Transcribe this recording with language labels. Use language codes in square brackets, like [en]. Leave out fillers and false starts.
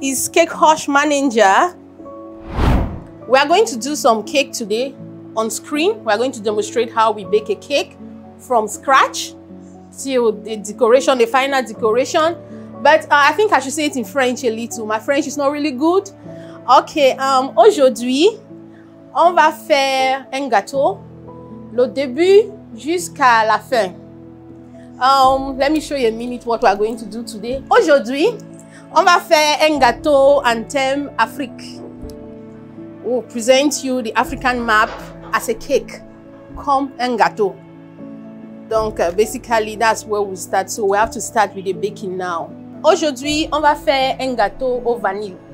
[en] It's Cake Rush manager. We are going to do some cake today on screen. We are going to demonstrate how we bake a cake from scratch till the decoration, the final decoration. But I think I should say it in French a little. My French is not really good. [fr] Okay, aujourd'hui, on va faire un gâteau, le début jusqu'à la fin. [en] Let me show you a minute what we are going to do today. [fr] Aujourd'hui, on va faire un gâteau en thème Afrique. [en] We'll present you the African map as a cake, [fr] comme un gâteau. [en] Donc, basically, that's where we start. So, we have to start with the baking now. [fr] Aujourd'hui, on va faire un gâteau au vanille.